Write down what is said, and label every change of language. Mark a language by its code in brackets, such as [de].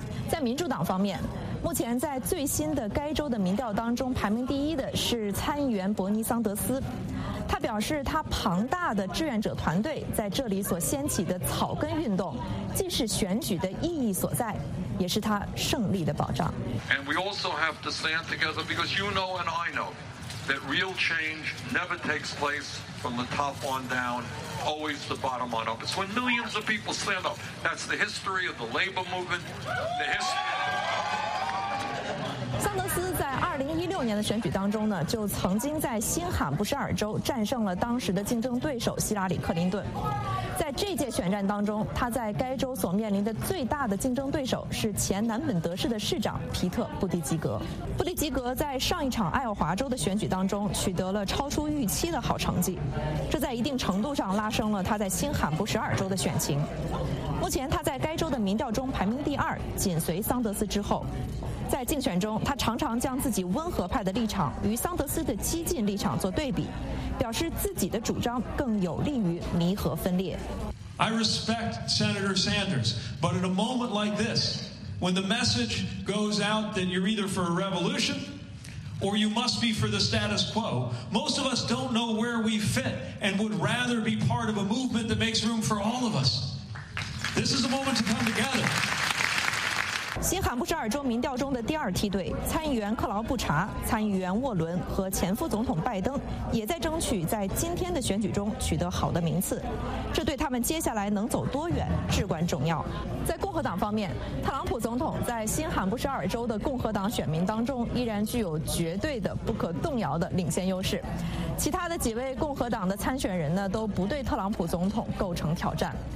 [zh] 在民主党方面，目前在最新的该州的民调当中排名第一的是参议员伯尼桑德斯，他表示他庞大的志愿者团队在这里所掀起的草根运动，既是选举的意义所在，也是他胜利的保障。 [en] And we also have to stand together because you know and I know that real change never takes place from the top on down, always the bottom on up. It's when millions of people stand up. That's the history of the labor movement. The history. [zh] 桑德斯在2016年的选举当中呢，就曾经在新罕布什尔州战胜了当时的竞争对手希拉里·克林顿。在这届选战当中，他在该州所面临的最大的竞争对手是前南本德市的市长皮特·布迪吉格。布迪吉格在上一场爱奥华州的选举当中取得了超出预期的好成绩，这在一定程度上拉升了他在新罕布什尔州的选情。目前他在该州的民调中排名第二，紧随桑德斯之后。在竞选中，他常常将自己温和派的立场与桑德斯的激进立场做对比，表示自己的主张更有利于弥合分裂。 [en] I respect Senator Sanders, but in a moment like this, when the message goes out that you're either for a revolution or you must be for the status quo, most of us don't know where we fit and would rather be part of a movement that makes room for all of us. This is the moment to come together. [zh] 新罕布什尔州民调中的第二梯队参议员克劳布查、参议员沃伦和前副总统拜登也在争取在今天的选举中取得好的名次，这对他们接下来能走多远至关重要。在共和党方面，特朗普总统在新罕布什尔州的共和党选民当中依然具有绝对的不可动摇的领先优势，其他的几位共和党的参选人呢，都不对特朗普总统构成挑战。